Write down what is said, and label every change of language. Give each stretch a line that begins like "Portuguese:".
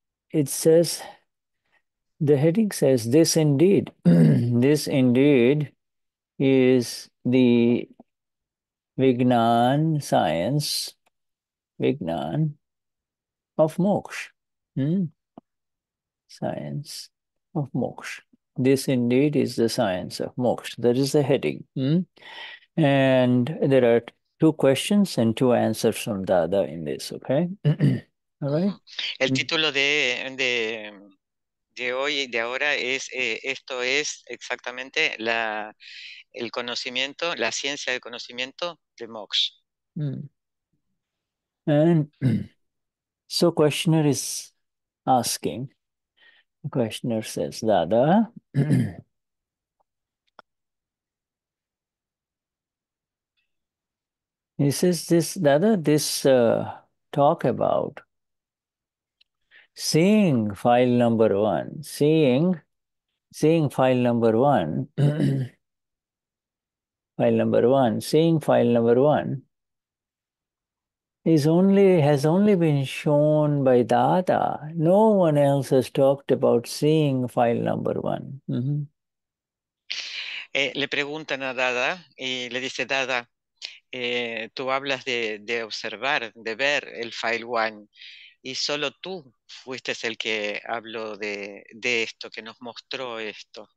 English: It says, the heading says, this indeed, this indeed is the Vignan science, Vignan of moksha, science of moksha. This indeed is the science of moksha. That is the heading. Mm? And there are two questions and two answers from Dada in this, okay? All right.
Spanish: El título de hoy y de ahora es esto es exactamente el conocimiento, la ciencia del conocimiento de moksha.
English: And so questioner is asking, the questioner says, Dada, he says, talk about seeing file number one, seeing file number one, has only been shown by Dada. No one else has talked about seeing file number one. Mm-hmm.
Spanish: Le preguntan a Dada y le dice Dada, tú hablas de observar, de ver el file one. Y solo tú fuiste el que habló de esto, que nos mostró esto.